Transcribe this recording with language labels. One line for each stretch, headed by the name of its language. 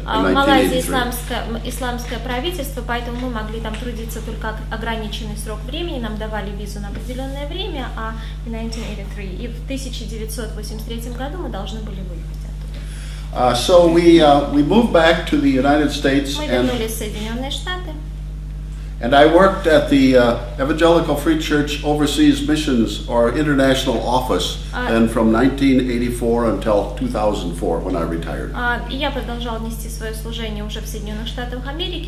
Russian: Малайзия исламское правительство, поэтому мы могли там трудиться только ограниченный срок времени. Нам давали визу на определенное время, а в 1983 и в 1983 году мы должны были выехать оттуда.
English: So we moved back to the United States.
Russian: Мы вернулись в Соединенные Штаты.
English: And I worked at the Evangelical Free Church Overseas Missions or International Office then from 1984 until 2004 when I retired.
Russian: Я продолжал нести свое служение уже в Соединенных Штатах Америки.